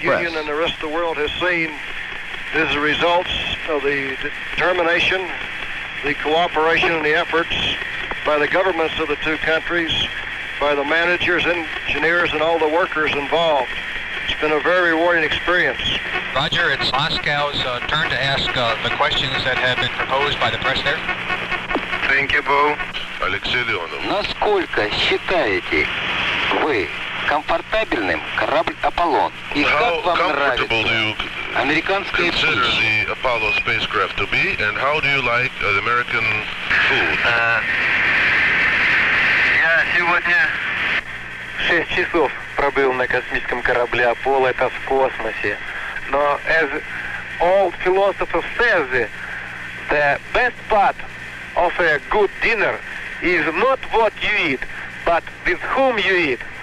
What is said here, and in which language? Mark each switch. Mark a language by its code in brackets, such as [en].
[en] The Soviet Union and the rest of the world has seen is the results of the determination, the cooperation, and the efforts by the governments of the two countries, by the managers, engineers, and all the workers involved. It's been a very rewarding experience. Roger, it's Moscow's turn to ask the questions that have been proposed by the press there. Thank you, Bo. [ru] Алексей Леонов. Насколько считаете вы комфортабельным корабль Аполлон? И как вам нравится американское [en] food? Consider the Apollo spacecraft to be, and how do you like the American food? [ru] Я сегодня 6 часов пробыл на космическом корабле Аполло, это в космосе. [en] Но, as all philosophers says, the best part of a good dinner is not what you eat, but with whom you eat.